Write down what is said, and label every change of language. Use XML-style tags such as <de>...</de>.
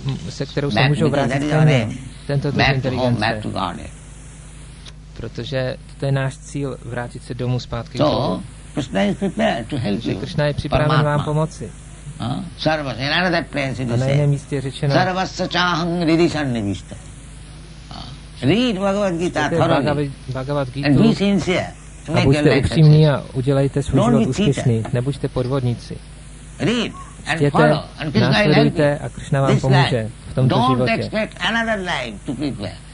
<cs>se kterou se můžou vrátit k němu, tento druh inteligence.</cs> <en>Back to God.</en> <cs>Protože to je náš cíl, vrátit se domů zpátky.</cs> <en>So, Krishna is prepared to help you.</en> <cs>Krishna je připraven vám pomoci.</cs> <sa>Sarvas,</sa> <cs>na jiném místě řečeno</cs> <sa>Sarvas sachaham ridishan nivista.</sa> <en>Read Bhagavad Gita thoroughly. Bhagavad Gita. And be sincere.</en> <cs>A buďte upřímní a udělejte svůj život úspěšný. Nebuďte podvodníci.</cs> <en>Read and follow. And Krishna will help</en> <cs>a Krishna vám pomůže v tomto životě.</cs> <en>Don't expect another life to prepare.</en>